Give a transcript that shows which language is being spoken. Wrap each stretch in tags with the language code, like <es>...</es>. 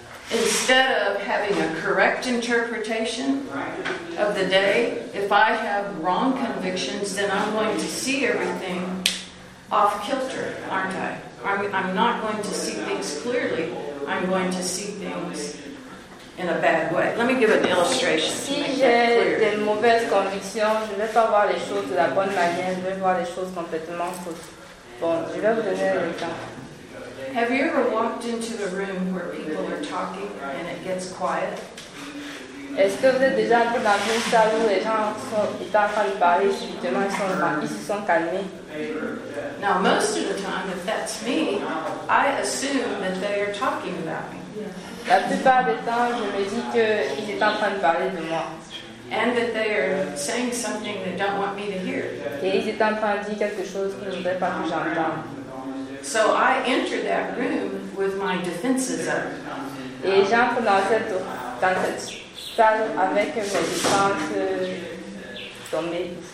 <en>Instead of having a correct interpretation of the day, if I have wrong convictions, then I'm going to see everything off kilter, aren't I? I'm not going to see things clearly. I'm going to see things in a bad way. Let me give an illustration.</en> <fr>Si j'ai des mauvaises convictions, je ne vais pas voir les choses de la bonne manière. Je vais voir les choses complètement fausses. Bon, je vais vous donner un exemple.</fr> <en>Have you ever walked into a room where people are talking and it gets quiet?</en> <fr>Est-ce que vous êtes déjà entré dans une salle où les gens sont en train de parler, justement, ils se sont calmés?</fr> <en>Now, most of the time, if that's me, I assume that they are talking about me.</en> <fr>La plupart des temps, je me dis qu'ils étaient en train de parler de moi.</fr> <en>And that they are saying something they don't want me to hear.</en> <fr>Et ils étaient en train de dire quelque chose que je ne voudrais pas que j'entende.</fr> <en>So I enter that room with my defenses up.</en> <fr>Et j'entre dans cette salle avec mes défenses tombées.</fr>